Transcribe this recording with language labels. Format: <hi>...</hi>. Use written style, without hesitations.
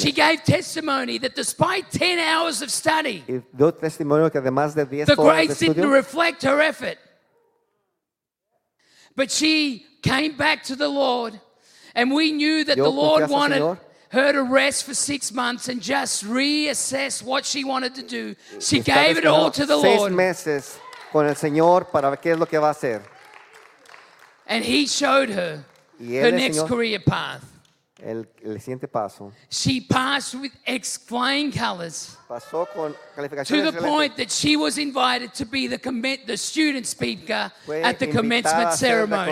<en>And she gave testimony that despite 10 hours of study.</en> <es>Y dio testimonio que además de 10 horas de estudio.</es> <en>The grades didn't reflect her effort. But she came back to the Lord, and we knew that the Lord wanted her to rest for 6 months and just reassess what she wanted to do. She gave it all to the Lord.</en> <es>6 meses con el Señor para ver qué es lo que va a hacer.</es> <en>And he showed her her next career path.</en> <es>El siguiente paso.</es> <en>She passed with flying colors.</en> <es>Pasó con calificaciones</es> <en>to the point that she was invited to be the student speaker at the commencement ceremony.</en>